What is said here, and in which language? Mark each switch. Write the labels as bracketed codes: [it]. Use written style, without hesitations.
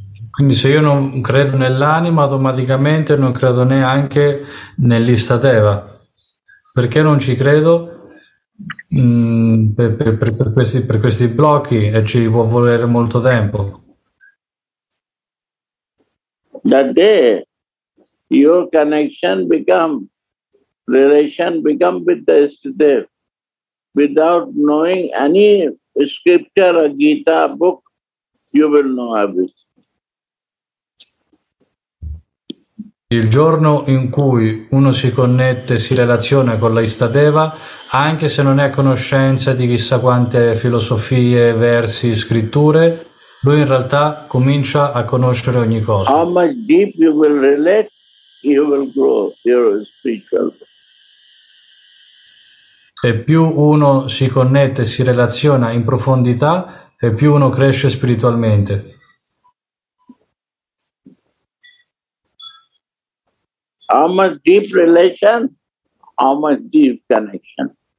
[it] Quindi se io non credo nell'anima, automaticamente non credo neanche nell'Ishtadeva. Perché non ci credo? Per questi blocchi e ci può volere molto tempo. [en] That day your connection become relation become with the Ishtadev without knowing any scripture or Gita book, you will know everything. [it] Il giorno in cui uno si connette, si relaziona con la Ishtadeva, anche se non è a conoscenza di chissà quante filosofie, versi, scritture, lui in realtà comincia a conoscere ogni cosa. [en] How much deep you will relate, you will grow your spiritual. [it] E più uno si connette, si relaziona in profondità, e più uno cresce spiritualmente. [en] How much deep relation, how much deep connection.